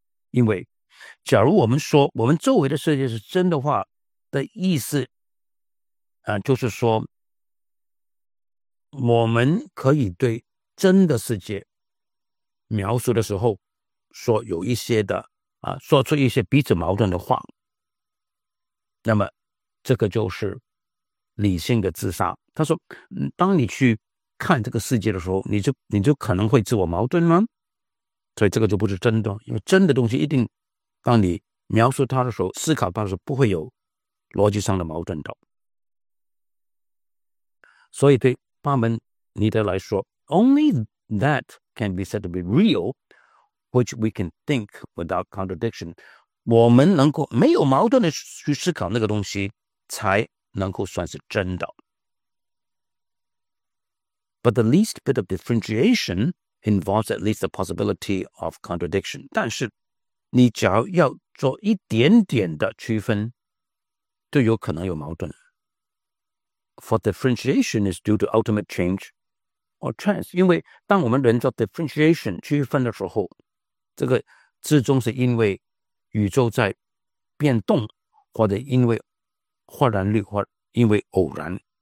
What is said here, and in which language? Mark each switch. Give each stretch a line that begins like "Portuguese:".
Chinese: 因为假如我们说我们周围的世界是真的话的意思就是说我们可以对真的世界描述的时候说有一些的说出一些彼此矛盾的话，那么这个就是理性的自杀。他说当你去看这个世界的时候，你就可能会自我矛盾吗？所以这个就不是真的，因为真的东西一定当你描述它的时候、思考它的时候，不会有逻辑上的矛盾的。所以对巴门尼德来说
English: ，Only that can be said to be real, which we can think without contradiction。
Chinese: 我们能够没有矛盾的去思考那个东西，才能够算是真的。
English: But the least bit of differentiation involves at least the possibility of contradiction.
Chinese: 但是你只要要做一点点的区分，就有可能有矛盾。
English: For differentiation is due to ultimate change or chance.
Chinese: 因为当我们人做 differentiation 区分的时候，这个之中是因为宇宙在变动，或者因为忽然率，或因为偶然。